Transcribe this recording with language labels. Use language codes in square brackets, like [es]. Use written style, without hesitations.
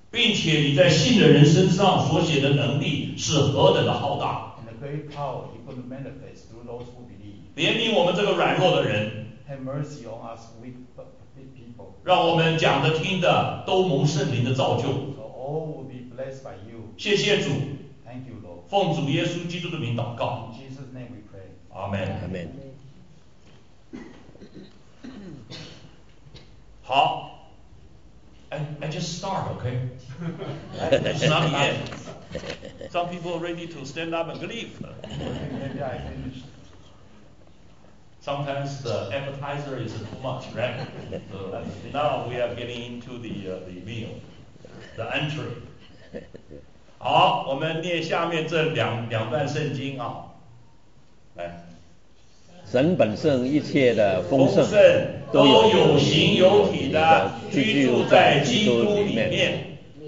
[zh] 并且你在信的人身上所显的能力是何等的浩大。 [en] And the great power you're going to manifest through those who believe. [zh] 怜悯我们这个软弱的人。 [en] Have mercy on us weak people. [zh] 让我们讲的听的都蒙圣灵的造就。 [en] So all will be blessed by you. [zh] 谢谢主。 [en] Thank you, Lord. [zh] 奉主耶稣基督的名祷告。 [en] In Jesus' name we pray. Amen. Amen. 好 I just start, okay? It's not the end. Some people are ready to stand up and leave. Maybe I finished. Sometimes the appetizer is too much, right? So now we are getting into the meal, the entry. [zh] 好，我们念下面这两段圣经啊，来。神本圣一切的丰盛都有形有体的居住在基督里面，